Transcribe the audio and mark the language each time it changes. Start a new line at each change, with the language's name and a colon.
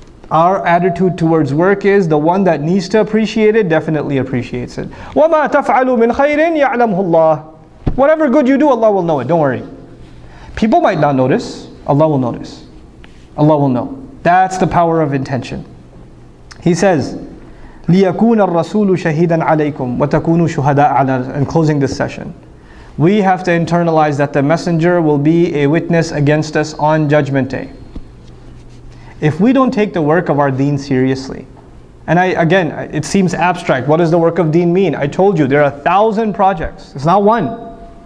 English: Our attitude towards work is, the one that needs to appreciate it, definitely appreciates it.
Arabic: وَمَا تَفْعَلُ مِنْ خَيْرٍ يَعْلَمْهُ اللَّهِ.
English: Whatever good you do, Allah will know it, don't worry. People might not notice, Allah will notice. Allah will know. That's the power of intention. He says,
Arabic: لِيَكُونَ الرَّسُولُ شَهِيدًا عَلَيْكُمْ وَتَكُونُوا شُهَدَاءَ عَلَىٰ.
English: And closing this session. We have to internalize that the Messenger will be a witness against us on Judgment Day. If we don't take the work of our deen seriously, and again, it seems abstract. What does the work of deen mean? I told you, there are 1,000 projects. It's not one.